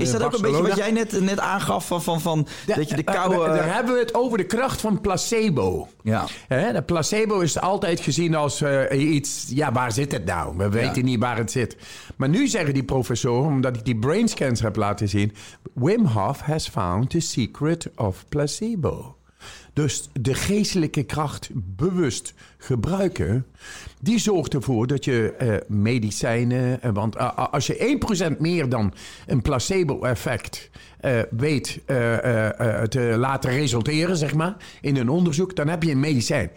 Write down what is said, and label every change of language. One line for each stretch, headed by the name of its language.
Dutch: Is dat ook een beetje wat jij net aangaf? Dat je de koude... Daar hebben we het over de kracht van placebo. Ja. De placebo is altijd gezien als iets... Ja, waar zit het nou? We weten niet waar het zit. Maar nu zeggen die professoren, omdat ik die brain scans heb laten zien...
English: Wim Hof has found the secret of placebo.
Dutch: Dus de geestelijke kracht bewust gebruiken, die zorgt ervoor dat je medicijnen... Want als je 1% meer dan een placebo-effect weet te laten resulteren, zeg maar, in een onderzoek, dan heb je een medicijn.